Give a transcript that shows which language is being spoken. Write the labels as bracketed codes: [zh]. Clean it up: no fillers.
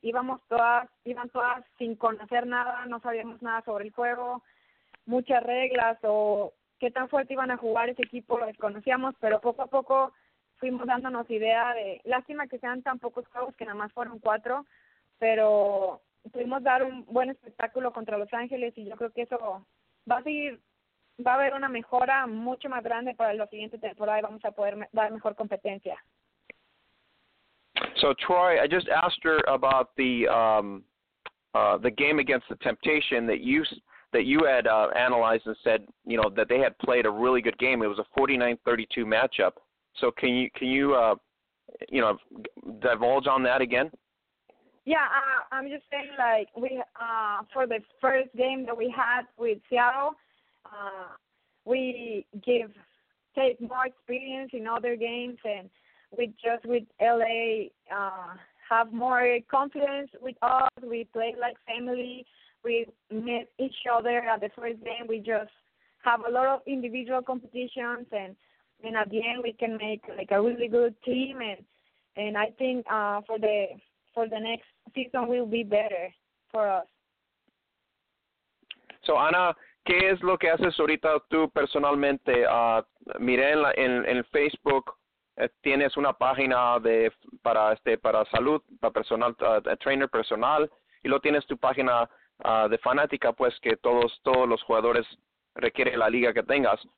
[es] Iban todas sin conocer nada, no sabíamos nada sobre el juego, muchas reglas o qué tan fuerte iban a jugar ese equipo, lo desconocíamos, pero poco a poco fuimos dándonos idea de, lástima que sean tan pocos juegos, que nada más fueron 4, pero pudimos dar un buen espectáculo contra Los Ángeles y yo creo que eso va a haber una mejora mucho más grande para la siguiente temporada y vamos a poder dar mejor competencia. [en] So Troy, I just asked her about the game against the Temptation that you had analyzed and said, you know, that they had played a really good game. It was a 49-32 matchup. So can you divulge on that again? Yeah, I'm just saying like we for the first game that we had with Seattle, we give Tate more experience in other games and. With LA, have more confidence with us. We play like family. We meet each other at the first game. We just have a lot of individual competitions, and at the end we can make like a really good team. And I think for the next season will be better for us. [es] So Ana, ¿qué es lo que haces ahorita tú personalmente? Miré en Facebook. Tienes una página de para salud, para personal, trainer personal, y luego tienes tu página de fanática, pues que todos los jugadores requieren la liga que tengas.